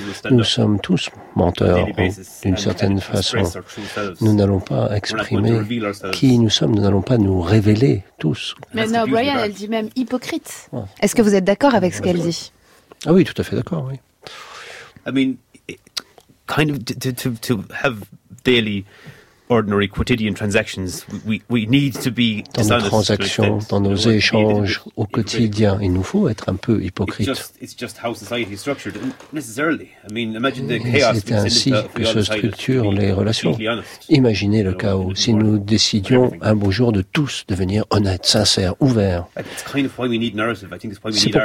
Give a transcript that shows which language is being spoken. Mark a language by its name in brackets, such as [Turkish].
[French] Nous sommes tous menteurs d'une certaine façon. Nous n'allons pas exprimer qui nous sommes, nous n'allons pas nous révéler tous. Mais non, Brian, elle dit même hypocrite. Est-ce que vous êtes d'accord avec ce qu'elle dit? Ah oui, tout à fait d'accord, oui. [English] Kind of to have daily ordinary quotidian transactions we need to be [French] dans nos transactions, dans nos échanges au quotidien, il nous faut être un peu hypocrite. [English] It's just how society is structured necessarily. I mean, imagine the chaos. [French] C'est ainsi que se structurent les relations. Imaginez le chaos si nous décidions un beau jour de tous devenir honnêtes, sincères, ouverts. [English] It's kind of why we need narrative. I think it's why we need art.